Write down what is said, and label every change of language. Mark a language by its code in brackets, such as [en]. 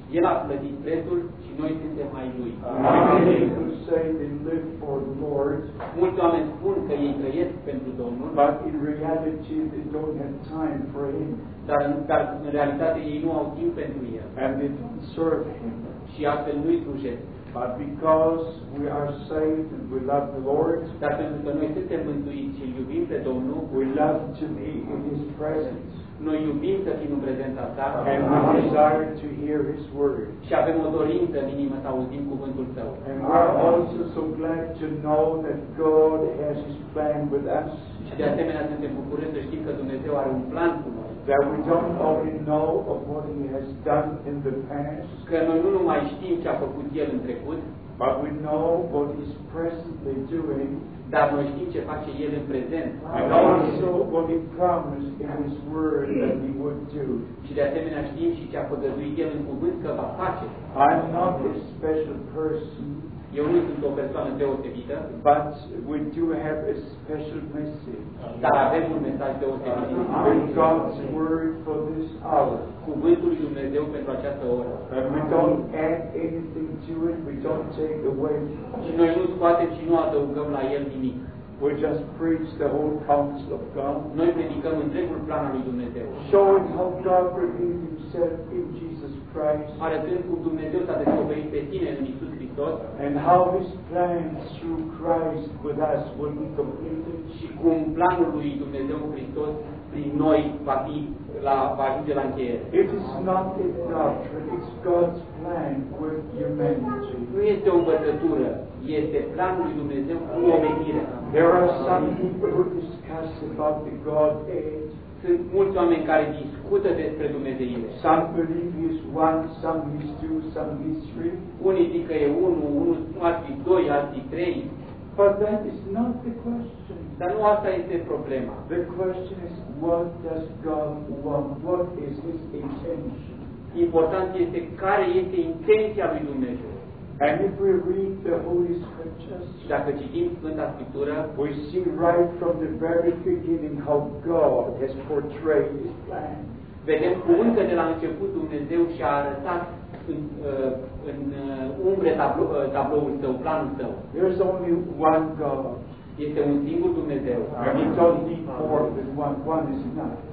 [ro] El a plătit prețul și noi suntem ai Lui. [en] Say they live for the Lord. [ro] Mulți oameni spun că ei trăiesc pentru Domnul. [en] But in reality, they don't have time for Him. [ro] Dar în realitate ei nu au timp pentru El. [en] And they don't serve Him. [ro] Și astfel nu-i slujesc. [en] But because we are saved and we love the Lord, [ro] dar pentru că noi suntem mântuiți și iubim pe Domnul, [en] we love to be in His presence. [ro] Noi iubim să fim în prezența Ta. [en] And we desire to hear His word. [ro] Și avem o dorință în inimă să auzim cuvântul Său. [en] And we are also so glad to know that God has His plan with us. [ro] Și de asemenea suntem bucuroși să știm că Dumnezeu are un plan cu noi. [en] That we don't only know of what He has done in the past, [ro] că noi nu numai știm ce a făcut El în trecut, [en] but we know what He's presently doing, [ro] dar noi știm ce face El în prezent. [en] And also what He promised in His word that He would do. [ro] Și de asemenea știm și ce a făgăduit El în cuvânt că va face. [en] I'm not a special person. [ro] Eu nu sunt o persoană deosebită, [en] but we do have a special message. [ro] Dar avem un mesaj deosebit. [en] God's word for this hour. [ro] Cuvântul lui Dumnezeu pentru această oră. [en] And we don't add anything to it. We don't take away. [ro] Și noi nu scoatem și nu adăugăm la el nimic. [en] We just preach the whole counsel of God. [ro] Noi predicăm întregul plan al lui Dumnezeu. [en] Showing how God revealed Himself in Jesus Christ. [ro] Arătând cum Dumnezeu s-a descoperit pe Sine în Iisus Hristos. [en] And how His plans through Christ with us will be completed. [ro] Și cum planul lui Dumnezeu cu Hristos prin noi va fi la ajunge la încheiere. [en] It is not a doctrine, it's God's plan with humanity. [ro] Nu este o învățătură, este planul lui Dumnezeu cu omenirea. [en] There are some people who discuss about the God age. [ro] Sunt mulți oameni care discută despre Dumnezeu. [en] Some believe he's one, some he's two, some he's three. [ro] Unii zic că e unul, alții doi, alții trei. [en] But that is not the question. [ro] Dar nu asta este problema. [en] The question is, what does God want? What is His intention? [ro] Important este care este intenția lui Dumnezeu. [en] And if we read the Holy Scriptures, [ro] dacă citim Sfânta Scriptură, [en] we see right from the very beginning how God has portrayed His plan. [ro] Vedem cu încă de la început Dumnezeu și-a arătat în umbre tabloul său, planul său. [en] There's only one God. [ro] Este un singur Dumnezeu. [en] And it's only more than one is enough.